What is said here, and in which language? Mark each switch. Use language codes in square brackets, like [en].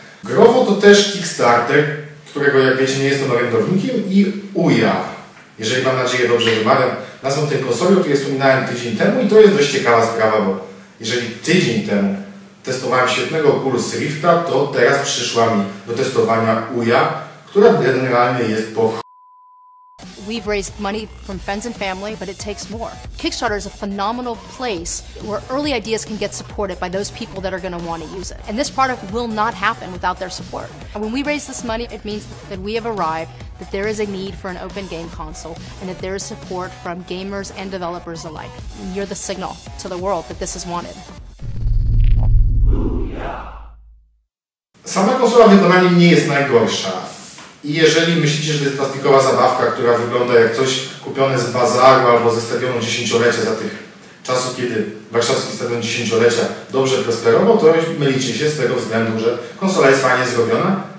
[pl] Growo to też Kickstarter, którego, jak wiecie, nie jestem orędownikiem, i UJA. Jeżeli mam nadzieję, dobrze wymawiam nazwą tej konsoli, o której wspominałem tydzień temu, i to jest dość ciekawa sprawa, bo jeżeli tydzień temu testowałem świetnego Oculus Rifta, to teraz przyszła mi do testowania UJA, która generalnie jest po [en] We've raised money from friends and family, but it takes more. Kickstarter is a phenomenal place where early ideas can get supported by those people that are going to want to use it. And this product will not happen without their support. And when we raise this money, it means that we have arrived, that there is a need for an open game console, and that there is support from gamers and developers alike. And you're the signal to the world that this is wanted. [pl] Sama konsola w wykonaniu nie jest najgorsza. I jeżeli myślicie, że to jest plastikowa zabawka, która wygląda jak coś kupione z bazaru albo ze stadionu dziesięciolecia za tych czasów, kiedy warszawski stadion dziesięciolecia dobrze prosperował, to mylicie się z tego względu, że konsola jest fajnie zrobiona.